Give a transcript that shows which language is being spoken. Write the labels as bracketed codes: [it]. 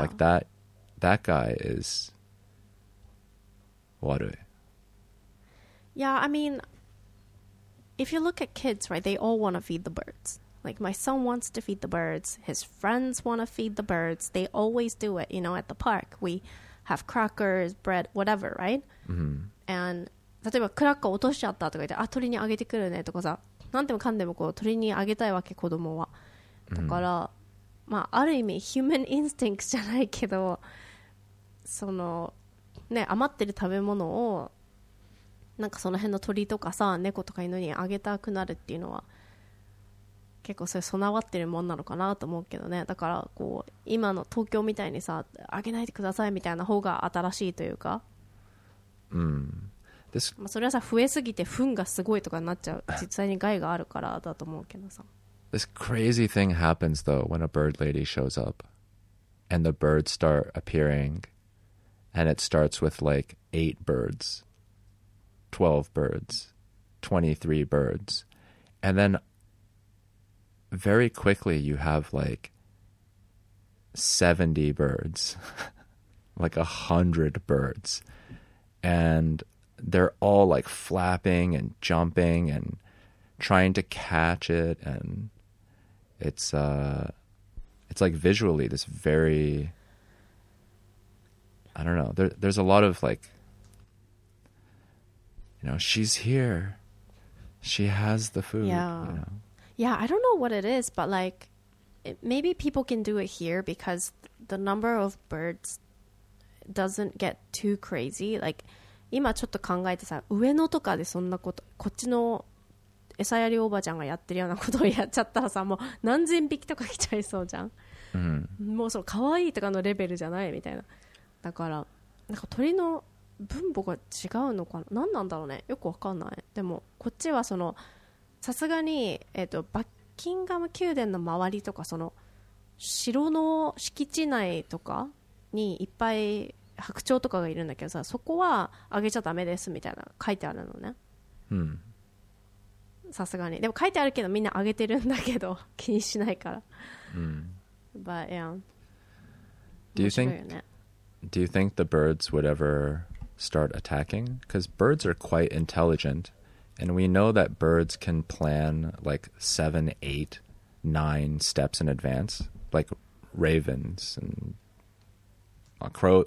[en] Like that guy is. What? Yeah, I mean, if you look at kids, right, they all want to feed the birds. Like, my son wants to feed the birds. His friends want to feed the birds. They always do it, you know, at the park. We have crackers, bread, whatever, right? Mm-hmm. [ja] And, 例えばクラッカー落としちゃったとか言って、あ、鳥にあげてくるねとかさ、なんでもかんでもこう鳥にあげたいわけ、子供は。だから、mm-hmm. まあ、ある意味、 [en] human instincts [ja] じゃないけど、その、ね、余ってる食べ物をなんかその辺の鳥とかさ猫とか犬にあげたくなるっていうのは結構それ備わってるもんなのかなと思うけどね。だからこう今の東京みたいにさあげないでくださいみたいな方が新しいというか、うん、 [en] This... [ja] まあそれはさ増えすぎて糞がすごいとかになっちゃう実際に害があるからだと思うけどさ。 [en] This crazy thing happens though when a bird lady shows up and the birds start appearingAnd it starts with like 8 birds, 12 birds, 23 birds. And then very quickly you have like 70 birds, like 100 birds. And they're all like flapping and jumping and trying to catch it. And it's like visually this very... I don't know. There's a lot of like, you know, she's here. She has the food. Yeah. You know? Yeah. I don't know what it is, but like, maybe people can do it here because the number of birds doesn't get too crazy. [ja] Like, 今ちょっと考えてさ、上野とかでそんなこと、こっちの餌やりおばちゃんがやってるようなことをやっちゃったらさ、もう何千匹とか来ちゃいそうじゃん。 Mm-hmm. もうその可愛いとかのレベルじゃないみたいな。だからなんか鳥の分母が違うのかな、何なんだろうね、よくわかんない。でもこっちはそのさすがに、バッキンガム宮殿の周りとかその城の敷地内とかにいっぱい白鳥とかがいるんだけどさ、そこはあげちゃダメですみたいな書いてあるのね。さすがにでも書いてあるけどみんなあげてるんだけど気にしないから、うん、 [en] But yeah、 Do you think- [ja] 面白いよね。 [en] Do you think the birds would ever start attacking? Because birds are quite intelligent, and we know that birds can plan like 7, 8, 9 steps in advance, like ravens and crows.